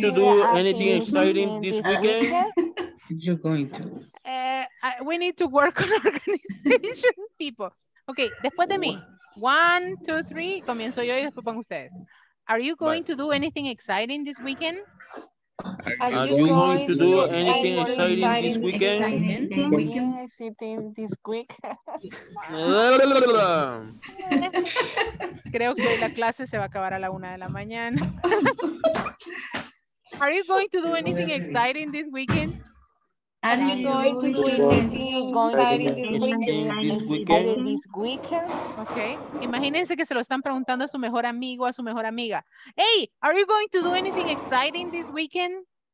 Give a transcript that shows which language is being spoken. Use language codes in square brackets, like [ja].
[en] Are you going to do anything exciting this weekend? We need to work on organization, people. Okay, [es] después de mí. [en] One, two, three. [es] Comienzo yo y después pongo ustedes. [en] Are you going to do anything exciting this weekend? [es] Creo que la clase se va a acabar a la una de la mañana. [en] Are you going to do anything exciting this weekend? Are you going to do anything exciting this weekend? Okay. [es] Imagínense que se lo están preguntando a su mejor amigo, a su mejor amiga. [en] Hey, are you going to do anything exciting this weekend?